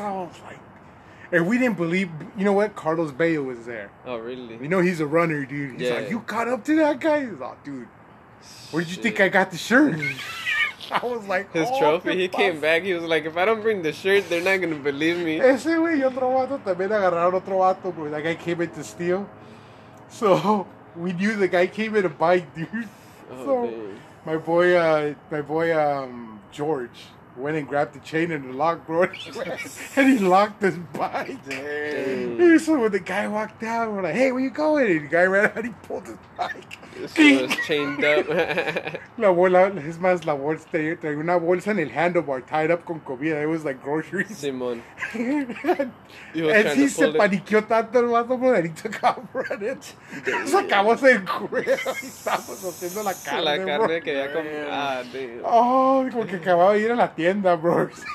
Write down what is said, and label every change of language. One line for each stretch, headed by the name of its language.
English: I was like, and we didn't believe, you know what? Carlos Bello was there. Oh, really? You know, he's a runner, dude. He's, yeah, like, you caught up to that guy? He's like, dude, where did you think I got the shirt? I was like, his trophy, he came back. He was like, if I don't bring the shirt, they're not going to believe me.
Spanish: Ese güey, otro vato, también agarraron otro vato, bro.
English: That guy came in to steal. So, we knew the guy came in to bite, dude. Oh, so, man. My boy, George, went and grabbed the chain and the lock, bro. And he locked his bike. Dang. So when the guy walked out, we're like, hey, where you going? And the guy ran out and he pulled his bike. This one was chained up.
Spanish: La bolsa, traía una bolsa en el handlebar
English: tied up
Spanish: con comida.
English: It was like groceries.
Spanish: Simón.
English: And he
Spanish: se paniqueó tanto el vato,
English: bro, that he took off running.
Spanish: Sacamos el grill. Estamos haciendo la carne. La carne, bro. Que ya comía. Ah, tío. Oh, como que acababa de ir a la tienda, bro.